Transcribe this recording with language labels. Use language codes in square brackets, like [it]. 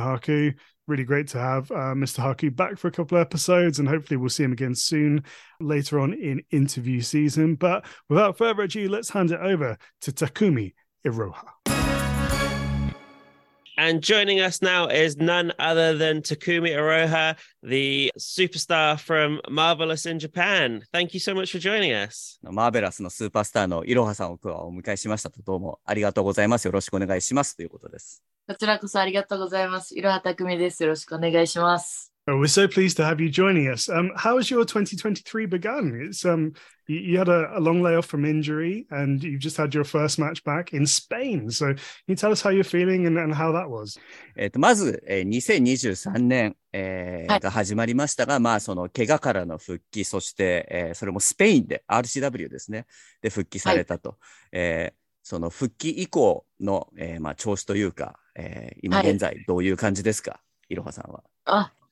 [en] Haku. Really great to have Mr. Haku back for a couple of episodes, and hopefully we'll see him again soon, later on in interview season. But without further ado, let's hand it over to Takumi Iroha. And joining us now is none other than Takumi Iroha, the superstar from Marvelous in Japan. Thank you so much for joining us. [ja] Marvelous のスーパースターのイロハさんを今日はお迎えしましたと、どうもありがとうございます。よろしくお願いしますということです。こちらこそありがとうございます。イロハ Takumi です。よろしくお願いします。 [en] Oh, we're so pleased to have you joining us. How has your 2023 begun? It's you had a long layoff from injury, and you just had your first match back in Spain. So can you tell us how you're feeling and how that was? [ja] まず、2023年、はい、が始まりましたが、まあその怪我からの復帰、そして、それもスペインで RCW ですね、で復帰されたと、はい、その復帰以降の、まあ調子というか、今現在どういう感じですか、はい、イロハさんは。